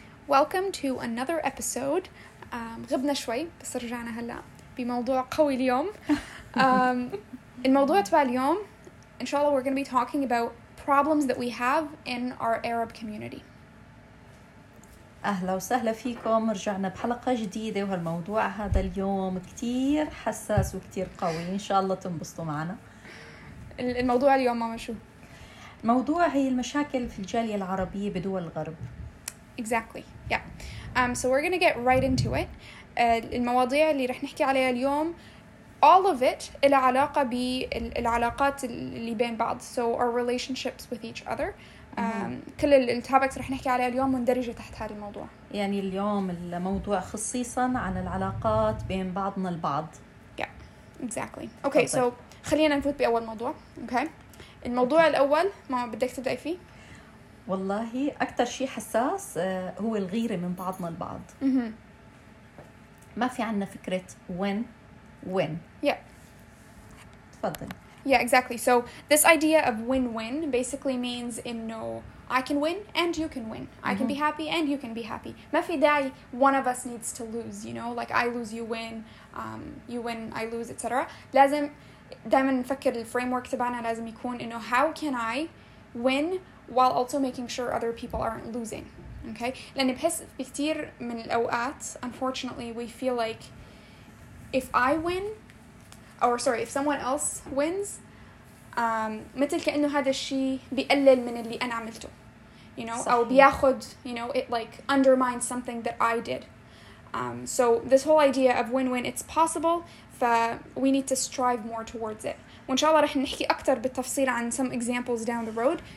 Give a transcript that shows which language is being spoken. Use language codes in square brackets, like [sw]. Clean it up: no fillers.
[en] Welcome to another episode. [ar] غبنا شوي بس رجعنا هلا بموضوع قوي اليوم. الموضوع تبع اليوم ان شاء الله [en] we're going to be talking about problems that we have in our Arab community. [ar] اهلا وسهلا فيكم، رجعنا بحلقة جديدة وهالموضوع هذا اليوم كتير حساس وكتير قوي، ان شاء الله تنبسطوا معنا. الموضوع اليوم ماما شو؟ موضوع هي المشاكل في الجالية العربية بدول الغرب. [en] Exactly. Yeah. So we're gonna get right into it. [ar] المواضيع اللي رح نحكي عليها اليوم, [en] all of it [ar] إلها علاقة بالعلاقات اللي بين بعض. [en] So our relationships with each other. [ar] كل التوبكس رح نحكي عليها اليوم مندرجة تحت هذا الموضوع. يعني اليوم الموضوع خصيصا عن العلاقات بين بعضنا البعض. [en] Yeah. Exactly. Okay. [ar] طبعا. So خلينا نفوت بأول موضوع. [en] Okay. [ar] الموضوع الأول ما بدك تبدأ فيه؟ والله أكتر شيء حساس هو الغيرة من بعضنا البعض. ما في عنا فكرة win-win. [en] Yeah. [ar] تفضل. [en] Yeah, exactly. So this idea of win-win basically means إنه I can win and you can win. I can be happy and you can be happy. [ar] ما في داعي [en] one of us needs to lose. You know, like I lose, you win. You win, I lose, etc. [ar] لازم دائما نفكر الفريمورك تبعنا لازم يكون إنه [en] how can I win while also making sure other people aren't losing. Okay? [ar] لأني بحس بكتير من الأوقات [en] unfortunately we feel like if I win or sorry if someone else wins [ar] مثل كأنه هذا الشيء بيقلل من اللي أنا عملته, [en] you know, [ar] صحيح. أو بياخد, [en] you know, it like undermines something that I did. So this whole idea of win-win, it's possible, we need to strive more towards it. [ar] وإن شاء الله رح نحكي أكتر بالتفصيل عن [en] some examples down the road.